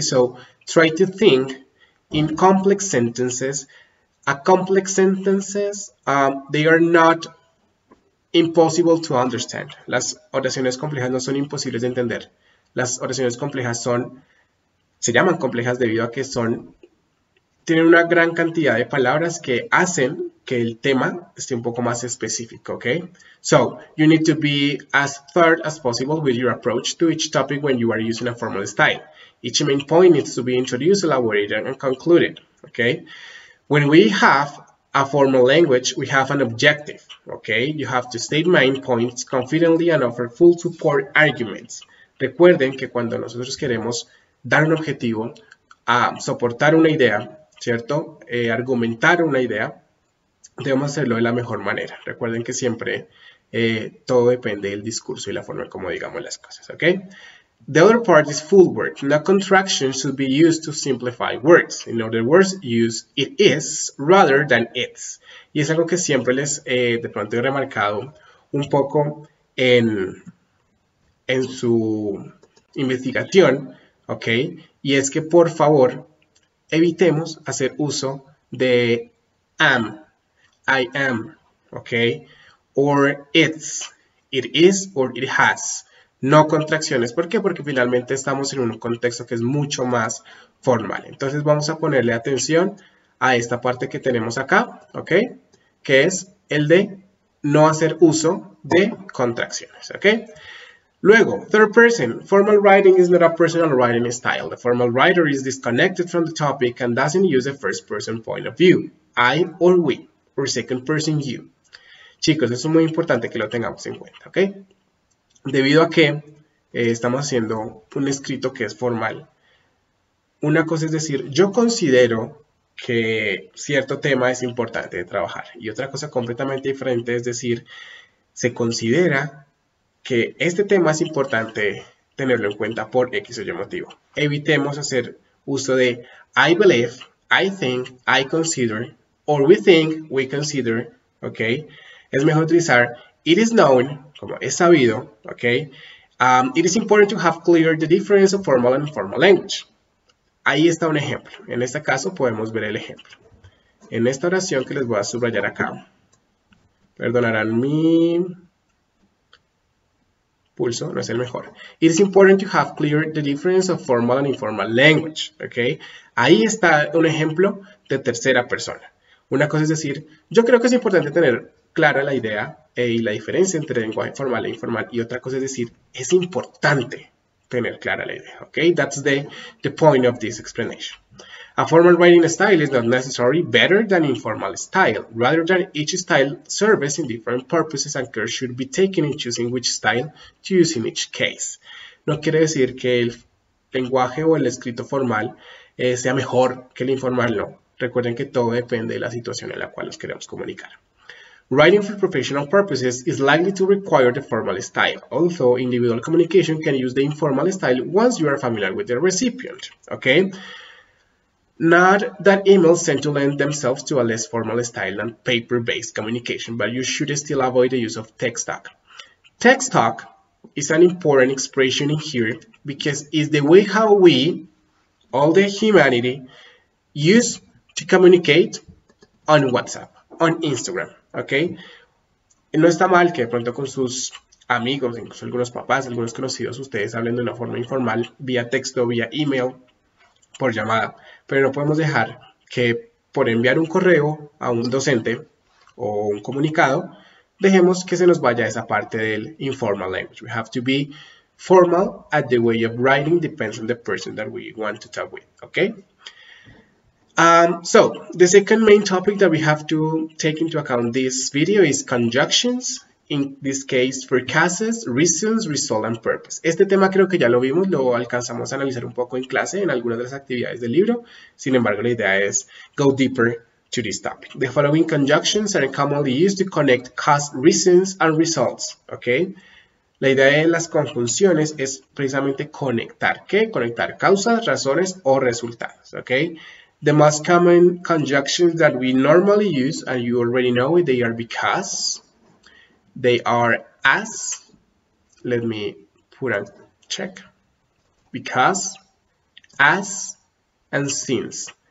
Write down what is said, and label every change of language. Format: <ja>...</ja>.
<en>So try to think in complex sentences. A complex sentences, they are not impossible to understand.</en> <es>Las oraciones complejas no son imposibles de entender. Las oraciones complejas son, se llaman complejas debido a que son, tienen una gran cantidad de palabras que hacen que el tema esté un poco más específico, okay?</es> <en>So, you need to be as thorough as possible with your approach to each topic when you are using a formal style. Each main point needs to be introduced, elaborated, and concluded, okay? When we have a formal language, we have an objective, okay? You have to state main points confidently and offer full support arguments.</en> <es>Recuerden que cuando nosotros queremos dar un objetivo, soportar una idea, ¿cierto? Argumentar una idea, debemos hacerlo de la mejor manera. Recuerden que siempre todo depende del discurso y la forma como digamos las cosas, okay?</es> <en>The other part is full words. No contraction should be used to simplify words. In other words, use it is rather than it's.</en> <es>Y es algo que siempre les de pronto he remarcado un poco en su investigación, ¿ok? Y es que por favor evitemos hacer uso de am, I am, ¿ok?</es> <en>Or it's, it is or it has.</en> <es>No contracciones. ¿Por qué? Porque finalmente estamos en un contexto que es mucho más formal. Entonces vamos a ponerle atención a esta parte que tenemos acá, ¿ok? Que es el de no hacer uso de contracciones, ¿ok?</es> <en>Luego, third person. Formal writing is not a personal writing style. The formal writer is disconnected from the topic and doesn't use a first person point of view. I or we, or second person you.</en> <es>Chicos, eso es muy importante que lo tengamos en cuenta, ¿ok? Debido a que estamos haciendo un escrito que es formal. Una cosa es decir, yo considero que cierto tema es importante de trabajar. Y otra cosa completamente diferente es decir, se considera que este tema es importante tenerlo en cuenta por X o Y motivo. Evitemos hacer uso de</es> <en>I believe, I think, I consider, or we think, we consider, ¿ok?</en> <es>Es mejor utilizar</es> <en>it is known,</en> <es>como es sabido, ¿ok?</es> <en>It is important to have clear the difference of formal and informal language.</en> <es>Ahí está un ejemplo. En este caso podemos ver el ejemplo. En esta oración que les voy a subrayar acá. Perdonarán mi pulso, no es el mejor.</es> <en>It is important to have clear the difference of formal and informal language.</en> <es>¿Okay? Ahí está un ejemplo de tercera persona. Una cosa es decir, yo creo que es importante tener clara la idea y la diferencia entre lenguaje formal e informal. Y otra cosa es decir, es importante tener clara la idea.</es> <en>¿Okay? That's the point of this explanation. A formal writing style is not necessarily better than informal style. Rather than each style serves in different purposes and care should be taken in choosing which style to use in each case.</en> <es>No quiere decir que el lenguaje o el escrito formal sea mejor que el informal, no. Recuerden que todo depende de la situación en la cual nos queremos comunicar.</es> <en>Writing for professional purposes is likely to require the formal style, although individual communication can use the informal style once you are familiar with the recipient. Okay? Not that emails tend to lend themselves to a less formal style than paper-based communication, but you should still avoid the use of text talk. Text talk is an important expression in here because it's the way how we, all the humanity, use to communicate on WhatsApp, on Instagram. Okay.</en> <es>No está mal que de pronto con sus amigos, incluso algunos papás, algunos conocidos, ustedes hablen de una forma informal, vía texto, vía email, por llamada. Pero no podemos dejar que por enviar un correo a un docente o un comunicado, dejemos que se nos vaya esa parte del</es> <en>informal language. We have to be formal at the way of writing depends on the person that we want to talk with. Okay? So, the second main topic that we have to take into account this video is conjunctions. In this case, for causes, reasons, result, and purpose.</en> <es>Este tema creo que ya lo vimos, lo alcanzamos a analizar un poco en clase, en algunas de las actividades del libro. Sin embargo, la idea es</es> <en>go deeper to this topic. The following conjunctions are commonly used to connect cause, reasons, and results.</en> <es>Okay? La idea de las conjunciones es precisamente conectar. ¿Qué? Conectar causas, razones o resultados. Okay?</es> <en>The most common conjunctions that we normally use, and you already know it, they are because, they are as, let me put a check, because, as, and since.</en>